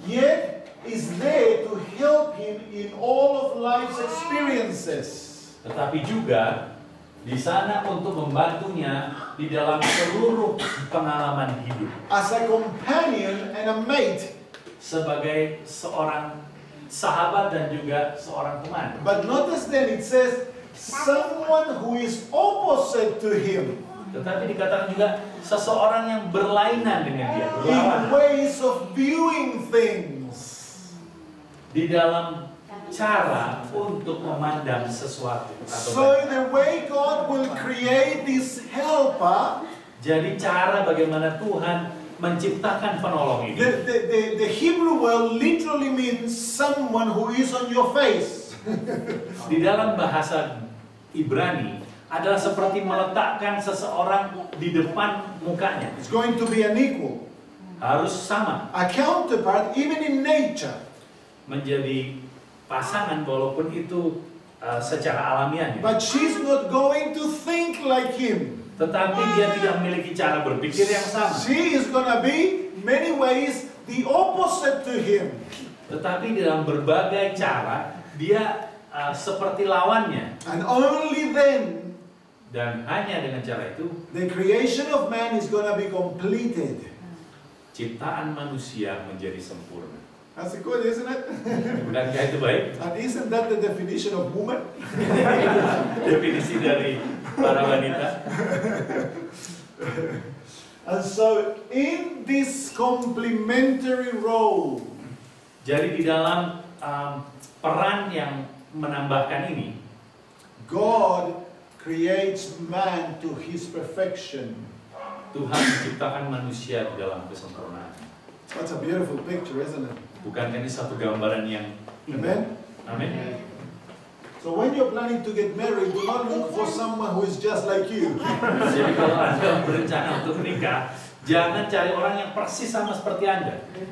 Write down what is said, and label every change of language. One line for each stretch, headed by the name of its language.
English: Yet is there to help him in all of life's experiences.
Indonesian: Tetapi juga di sana untuk membantunya di dalam seluruh pengalaman hidup.
English: As a companion and a mate.
Indonesian: Sebagai seorang sahabat dan juga seorang teman.
English: But notice then it says someone who is opposite to him.
Indonesian: Tetapi dikatakan juga seseorang yang berlainan dengan dia.
English: In ways of viewing things.
Indonesian: Di dalam cara untuk memandang sesuatu.
English: So in the way God will create this helper.
Indonesian: Jadi cara bagaimana Tuhan menciptakan penolong ini.
English: The Hebrew word literally means someone who is on your face.
Indonesian: Di dalam bahasa Ibrani adalah seperti meletakkan seseorang di depan mukanya.
English: It's going to be an equal.
Indonesian: Harus sama.
English: A counterpart even in nature.
Indonesian: Menjadi pasangan walaupun itu secara alamiahnya.
English: But she's not going to think like him.
Indonesian: Tetapi dia tidak memiliki cara berpikir yang sama.
English: She is gonna be many ways the opposite to him.
Indonesian: Tetapi dalam berbagai cara dia seperti lawannya.
English: And only then,
Indonesian: dan hanya dengan cara itu,
English: the creation of man is gonna be completed.
Indonesian: Ciptaan manusia menjadi sempurna.
English: That's good, isn't it?
Indonesian: Bukankah itu baik?
English: And isn't that the definition of woman?
Indonesian: Definisi dari para wanita.
English: And so in this complementary role,
Indonesian: jadi di dalam peran yang menambahkan ini,
English: God creates man to his perfection.
Indonesian: Tuhan menciptakan manusia di dalam kesempurnaan.
English: That's a beautiful picture, isn't it?
Indonesian: Bukankah ini satu gambaran yang indah? Amen. Amen.
English: So when you're planning to get married, do not look for someone who is just like you.
Indonesian: Jadi kalau Anda berencana untuk menikah, jangan cari orang yang persis sama seperti Anda.